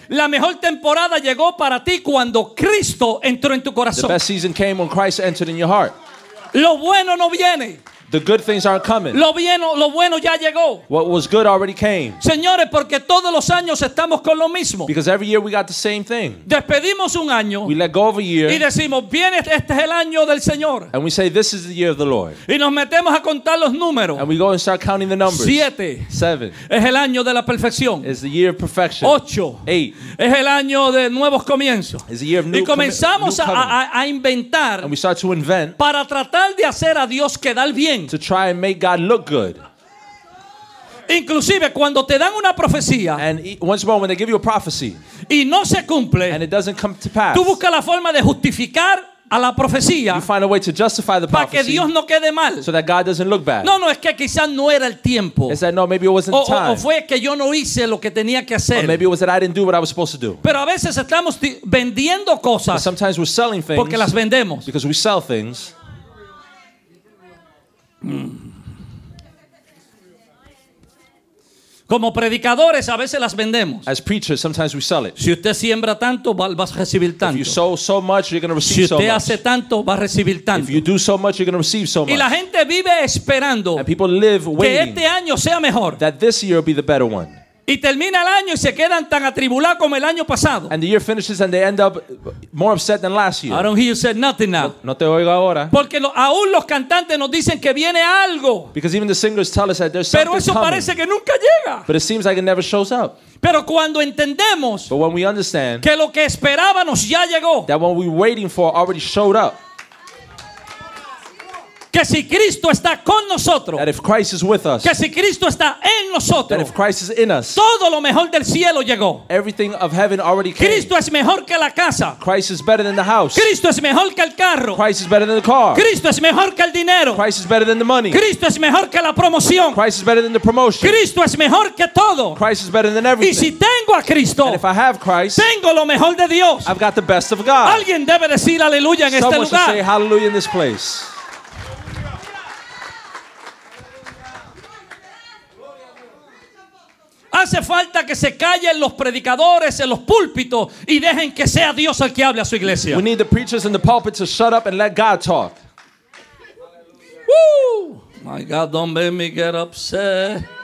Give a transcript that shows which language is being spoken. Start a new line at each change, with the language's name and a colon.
Spanish: La mejor temporada llegó para ti cuando Cristo entró en tu corazón.
English: The best season came when Christ entered in your heart.
Spanish: Lo bueno no viene.
English: The good things aren't coming.
Spanish: Lo bueno ya llegó.
English: What was good already came.
Spanish: Señores, porque todos los años estamos con lo mismo.
English: Because every year we got the same thing.
Spanish: Despedimos un año.
English: We let go of a year.
Spanish: Y decimos, viene, este es el año del Señor.
English: And we say, this is the year of the Lord.
Spanish: Y nos metemos a contar los números.
English: And we go and start counting the numbers.
Spanish: Siete.
English: Seven.
Spanish: Es el año de la perfección.
English: It's the year of perfection.
Spanish: Ocho.
English: Eight.
Spanish: Es el año de nuevos comienzos.
English: It's the year of new
Spanish: comienzos. Y comenzamos a inventar.
English: And we start to invent.
Spanish: Para tratar de hacer a Dios quedar bien.
English: To try and make God look good.
Spanish: Inclusive cuando te dan una profecía,
English: and once more when they give you a prophecy,
Spanish: y no se cumple,
English: and it doesn't come to pass,
Spanish: tú buscas la forma de justificar a la profecía,
English: you find a way to justify the prophecy,
Spanish: para que Dios no quede mal,
English: so that God doesn't look bad.
Spanish: No, no, es que quizás no era el tiempo.
English: It's that no, maybe it wasn't the time.
Spanish: O fue que yo no hice lo que tenía que hacer.
English: Or maybe it was that I didn't do what I was supposed to do.
Spanish: Pero a veces estamos vendiendo cosas.
English: But sometimes we're selling things.
Spanish: Porque las vendemos.
English: Because we sell things.
Spanish: Como predicadores a veces las vendemos.
English: As preachers, sometimes we sell it.
Spanish: Si usted siembra tanto, vas a recibir tanto.
English: If you sow so much, you're going to receive so much.
Spanish: Si usted hace tanto, va a recibir tanto.
English: If you do so much, you're going to receive so much.
Spanish: Y la gente vive esperando
English: and people live waiting
Spanish: que este año sea mejor.
English: That this year will be the better one.
Spanish: Y termina el año y se quedan tan atribulados como el año pasado.
English: And the year finishes and they end up more upset than last year. I don't hear you say nothing now.
Spanish: No, no te oigo ahora. Porque aún los cantantes nos dicen que viene algo.
English: Because even the singers tell us that there's something coming.
Spanish: Pero eso parece que nunca llega.
English: But it seems like it never shows up.
Spanish: Pero cuando entendemos que lo que esperábamos ya llegó.
English: That what we're waiting for already showed up.
Spanish: Que si Cristo está con nosotros,
English: that if Christ is with us,
Spanish: que si Cristo está en nosotros,
English: that if Christ is in us,
Spanish: todo lo mejor del cielo llegó.
English: Everything of heaven already came.
Spanish: Cristo es mejor que la casa.
English: Christ is better than the house.
Spanish: Cristo es mejor que el carro.
English: Christ is better than the car.
Spanish: Cristo es mejor que el dinero.
English: Christ is better than the money.
Spanish: Cristo es mejor que la promoción.
English: Christ is better than the promotion.
Spanish: Cristo es mejor que todo.
English: Christ is better than everything.
Spanish: Y si tengo a Cristo,
English: and if I have Christ,
Spanish: tengo lo mejor de Dios.
English: I've got the best of God.
Spanish: Alguien debe decir aleluya en
English: someone
Spanish: este lugar.
English: Someone should say hallelujah in this place.
Spanish: Hace falta que se callen los predicadores en los púlpitos y dejen que sea Dios el que hable a su iglesia.
English: We need the preachers in the pulpits to shut up and let God talk. Woo! My God, don't make me get upset.